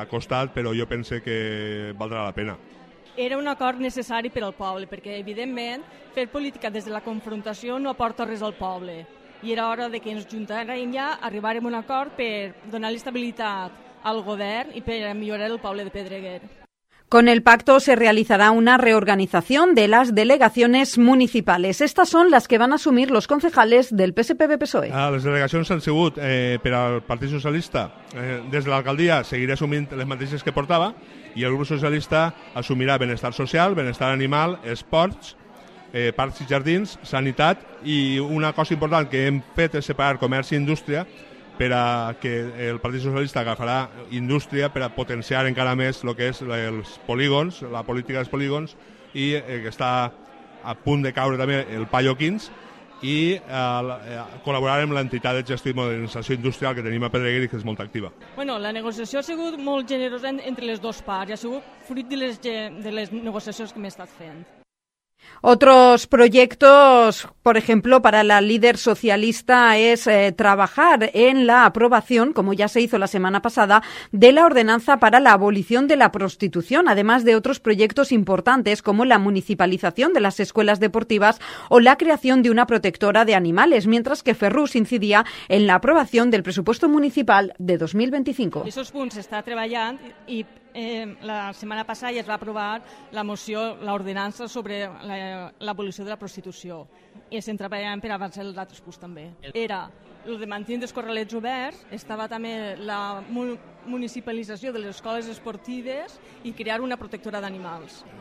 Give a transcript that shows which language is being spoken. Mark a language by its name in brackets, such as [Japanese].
[Catalan] Ha costat, però jo penso que valdrà la pena. Era un acord necessari per al poble, perquè, evidentment, fer política des de la confrontació no aporta res al poble. I era hora de que ens juntàrem ja, arribàrem a un acord per donar l'estabilitat al govern i per millorar el poble de Pedreguer. [Spanish] Con el pacto se realizará una reorganización de las delegaciones municipales. Estas son las que van a asumir los concejales del PSPB-PSOE. [Catalan] Les delegacions han sigut per al Partit Socialista. Des de l'alcaldia seguiré assumint les mateixes que portava i el grup socialista assumirà benestar social, benestar animal, esports, parcs i jardins, sanitat i una cosa important que hem fet és separar comerç i indústria, per a que el Partit Socialista agafarà indústria per a potenciar encara més el que és els polígons, la política dels polígons, i que està a punt de caure també el Paio 15, i col·laborar amb l'entitat de gestió i modernització industrial que tenim a Pedreguer i que és molt activa. Bueno, la negociació ha sigut molt generosa entre les dues parts i ha sigut fruit de les negociacions que hem estat fent. [Spanish] Otros proyectos, por ejemplo, para la líder socialista es trabajar en la aprobación, como ya se hizo la semana pasada, de la ordenanza para la abolición de la prostitución, además de otros proyectos importantes como la municipalización de las escuelas deportivas o la creación de una protectora de animales, mientras que Ferrús incidía en la aprobación del presupuesto municipal de 2025. Esos puntos está trabajando y... [Catalan] la setmana passada ja es va aprovar la moció, l'ordenança sobre l'abolició de la prostitució i s'hem treballant per avançar els altres punts també. Era el de mantenir els corralets oberts, estava també la municipalització de les escoles esportives i crear una protectora d'animals.